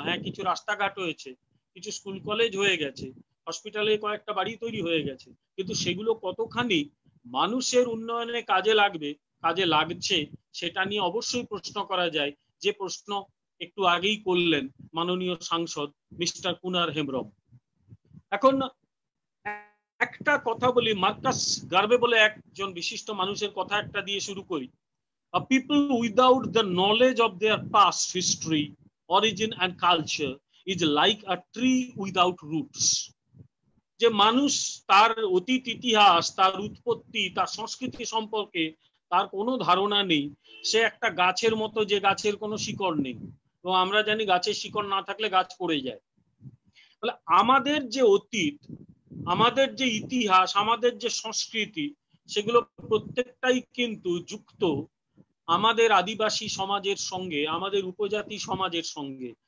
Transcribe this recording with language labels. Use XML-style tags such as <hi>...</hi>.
<bn>হ্যাঁ, কিছু রাস্তাঘাট হয়েছে, কিছু স্কুল কলেজ হয়ে গেছে, হসপিটালে কয়েকটা বাড়ি তৈরি হয়ে গেছে, কিন্তু সেগুলো কতখানি মানুষের উন্নয়নে কাজে লাগবে, কাজে লাগছে, সেটা নিয়ে অবশ্যই প্রশ্ন করা যায়, যে প্রশ্ন একটু আগেই করলেন মাননীয় সাংসদ মিস্টার কুনার হেমব্রম। এখন একটা কথা বলি, মার্কাস গার্ভে বলে একজন বিশিষ্ট মানুষের কথা একটা দিয়ে শুরু করি।</bn> <en>A people without the knowledge of their past history, origin and culture is like a tree without roots.</en> <bn>যে মানুষ তার অতীত ইতিহাস, তার উৎপত্তি, তার সংস্কৃতি সম্পর্কে তার কোনো ধারণা নেই, সে একটা গাছের মতো যে গাছের কোনো শিকড় নেই। তো আমরা জানি গাছের শিকড় না থাকলে গাছ পড়ে যায়। তাহলে আমাদের যে অতীত, আমাদের যে ইতিহাস, আমাদের যে সংস্কৃতি, সেগুলো প্রত্যেকটাই কিন্তু যুক্ত আমাদের আদিবাসী সমাজের সঙ্গে, আমাদের উপজাতি সমাজের সঙ্গে।</bn>